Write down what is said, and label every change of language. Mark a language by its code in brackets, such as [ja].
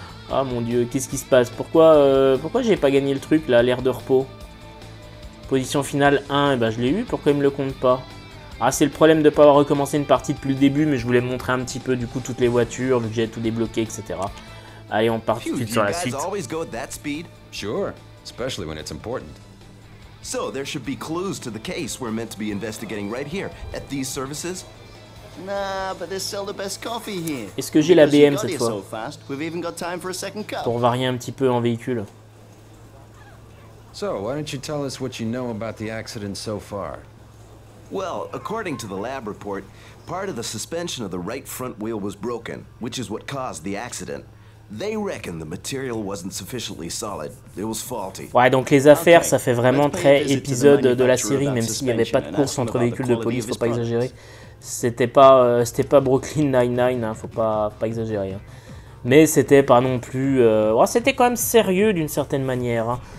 [fr] Ah mon dieu, qu'est-ce qui se passe? Pourquoi j'ai pas gagné le truc là, l'air de repos? Position finale 1, et ben je l'ai eu, pourquoi il me le compte pas? Ah c'est le problème de pas avoir recommencé une partie depuis le début, mais je voulais montrer un petit peu du coup toutes les voitures, vu que j'ai tout débloqué, etc. Allez, on part tout de suite sur la suite. [en] Always go at that speed? Sure, especially when it's important. So there should be clues to the case we're meant to be investigating right here, at these services? Nah, but they sell the best coffee here. [fr] Est-ce que j'ai la BM cette fois? [en] We've even got time for a second cup. [fr] Pour varier un petit peu en véhicule. [en] So, why don't you tell us what you know about the accident so far? Well, according to the lab report, part of the suspension of the right front wheel was broken, which is what caused the accident. They reckon the material wasn't sufficiently solid. It was faulty. [fr] Ouais, donc les affaires, ça fait vraiment très épisode de la série, même s'il n'y avait pas de course entre véhicules de police, faut pas exagérer. C'était pas Brooklyn Nine-Nine, hein, faut pas exagérer. Hein. Mais c'était pas non plus... c'était quand même sérieux d'une certaine manière. Hein.